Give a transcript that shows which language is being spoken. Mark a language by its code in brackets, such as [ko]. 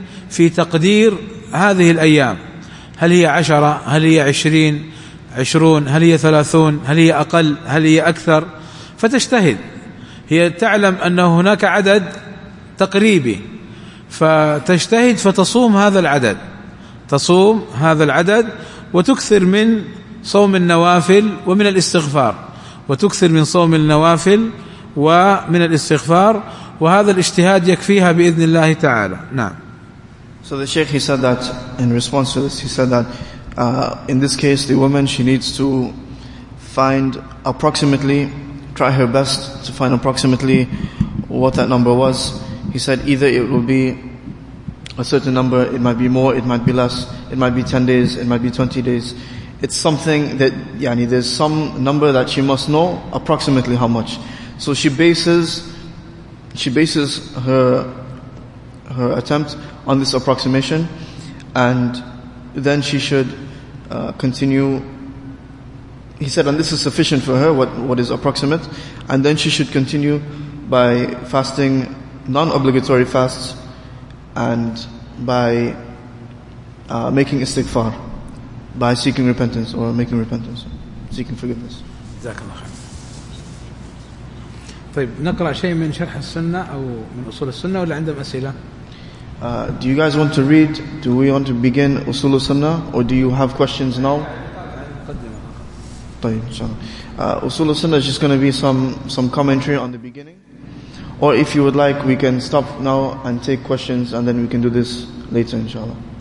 [ar] في تقدير هذه الأيام، هل هي 10، هل هي 20، هل هي 30، هل هي أقل، هل هي أكثر، فتجتهد، هي تعلم أن هناك عدد تقريبي فتجتهد فتصوم هذا العدد، تصوم هذا العدد وتكثر من صوم النوافل ومن الاستغفار، وتكثر من صوم النوافل ومن الاستغفار، وهذا الاجتهاد يكفيها بإذن الله تعالى. نعم. [en] So the Sheikh, he said that in response to this, he said that in this case, the woman, she needs to find approximately, try her best to find approximately what that number was. He said either it will be a certain number, it might be more, it might be less, it might be 10 days, it might be 20 days. It's something that, yani, there's some number that she must know approximately how much. So she bases her attempt on this approximation, and then she should continue. He said, and this is sufficient for her, what is approximate, and then she should continue by fasting non-obligatory fasts and by making istighfar, by seeking repentance or making repentance, seeking forgiveness. JazakAllah khair. [ar] طيب نقرأ شيء من شرح السنة أو من أصول السنة ولا عندهم أسئلة؟ [en] Do you guys want to read? Do we want to begin Usul Sunnah, or do you have questions now? Usul Sunnah is just going to be some commentary on the beginning. Or if you would like, we can stop now and take questions, and then we can do this later, inshallah.